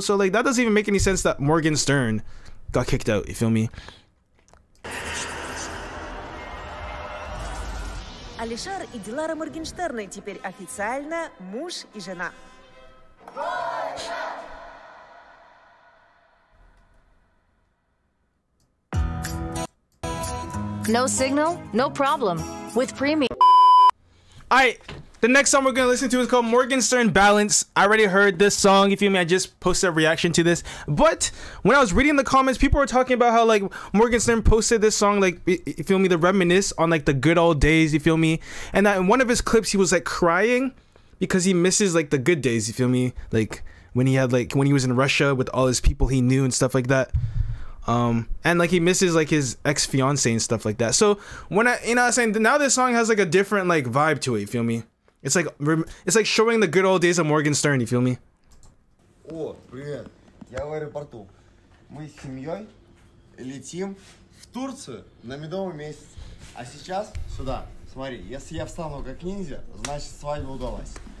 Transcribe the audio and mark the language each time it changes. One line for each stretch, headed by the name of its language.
English: So, like, that doesn't even make any sense that Morgenshtern got kicked out, you feel me?
Russian: Алишар и Дилара Моргенштерны теперь официально муж и жена.
English: No signal, no problem. With premium. Alright, the next song we're gonna listen to is called Morgenshtern Balance. I already heard this song, you feel me? I just posted a reaction to this. But when I was reading the comments, people were talking about how, like, Morgenshtern posted this song, like, you feel me, the reminisce on, like, the good old days, you feel me? And that in one of his clips, he was, like, crying because he misses, like, the good days, you feel me? Like, when he had, like, when he was in Russia with all his people he knew and stuff like that. And like he misses like his ex-fiance and stuff like that. So when I, you know what I'm saying, now this song has like a different like vibe to it, you feel me? It's like it's like showing the good old days of Morgenshtern, you feel me?
Russian: О, привет. Я в аэропорту. Мы с семьёй летим в Турцию на медовый месяц. А сейчас сюда. Смотри, если я встану как ниндзя, значит свадьба удалась.